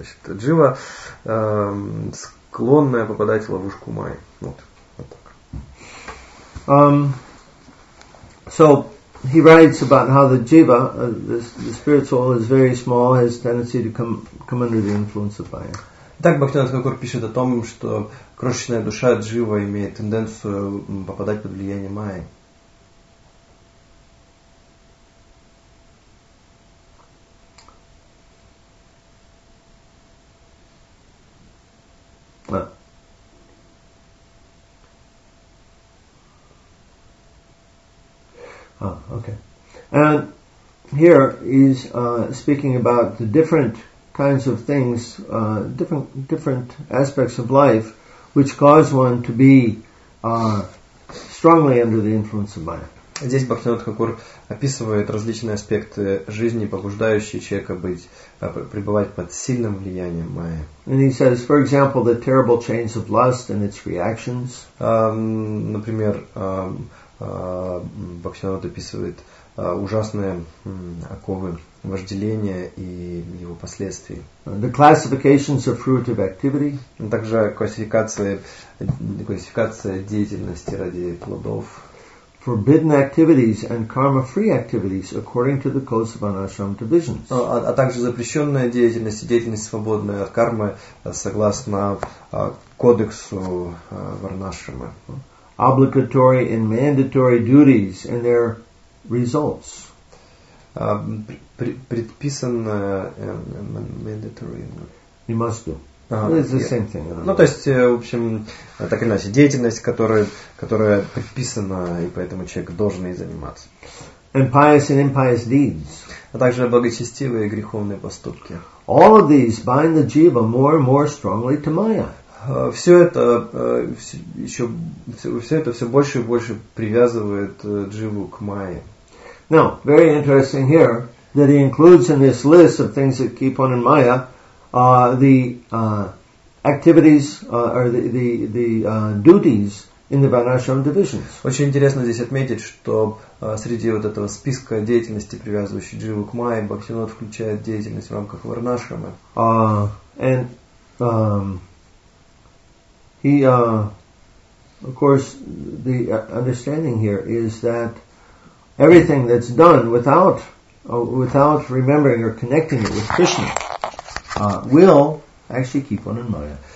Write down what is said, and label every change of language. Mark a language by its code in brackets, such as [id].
[ru] Джива, склонная попадать в ловушку майи. Вот так. [en] So he writes about how the jiva, the spiritual, is very small, has tendency to come under the influence of maya. [ru] Так Бхактивинода Такур пишет о том, что крошечная душа джива имеет тенденцию попадать под влияние майи. [en] And here he's speaking about the different kinds of things, different aspects of life, which cause one to be strongly under the influence of maya. [ru] Здесь Бхактивинода Такур описывает различные аспекты жизни, побуждающие человека пребывать под сильным влиянием майя. [en] And he says, for example, the terrible chains of lust and its reactions. [ru] Бхактивинода описывает ужасные оковы вожделения и его последствий. [en] The classifications of fruitive activity. [ru] Также классификация деятельности ради плодов. [en] forbidden activities and karma-free activities according to the codes of Anashram divisions. [ru] А также запрещенная деятельность и деятельность, свободная от кармы, согласно кодексу Варнашрама. [en] Obligatory and mandatory duties and their results. [ru] Предписанное [en] mandatory. We must do. It's the same thing. [ru] Ну, то есть, в общем, так или иначе, деятельность, которая предписана, и поэтому человек должен ей заниматься. [en] And pious and impious deeds. [ru] А также благочестивые и греховные поступки. [en] All of these bind the jiva more and more strongly to maya. [ru] Все это все больше и больше привязывает дживу к майе. [en] Now, very interesting here that he includes in this list of things that keep on in maya the activities or the duties in the Varnashram divisions. [ru] Очень интересно здесь отметить, что среди вот этого списка деятельности, привязывающей дживу к майе, Бхактивинод включает деятельность в рамках Варнашрама. [en] He, of course, the understanding here is that everything that's done without remembering or connecting it with Krishna will actually keep on in maya.